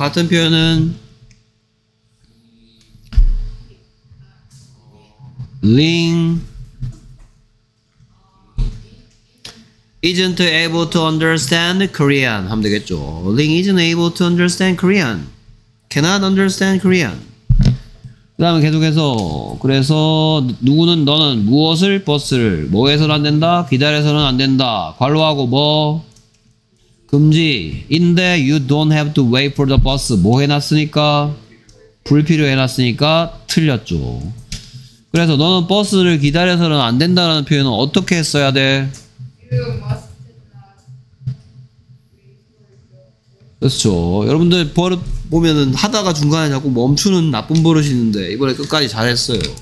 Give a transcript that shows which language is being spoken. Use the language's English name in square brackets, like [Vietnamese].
[Korean] 같은 표현은 [English] 링 isn't able to understand Korean [Korean] 하면 되겠죠. [English] Link isn't able to understand Korean. cannot understand Korean. [Korean] 그 다음에 계속해서 그래서 누구는 너는 무엇을 버스를 뭐 해서는 안 된다? 기다려서는 안 된다. 괄호하고 뭐? 금지. [English] 인데 you don't have to wait for the bus. [Korean] 뭐 해놨으니까? 불필요해놨으니까 틀렸죠. 그래서 너는 버스를 기다려서는 안 된다라는 표현은 어떻게 써야 돼? [English] You must not. [Korean] 그렇죠. 여러분들 버릇 보면은 하다가 중간에 자꾸 멈추는 나쁜 버릇이 있는데 이번에 끝까지 잘했어요.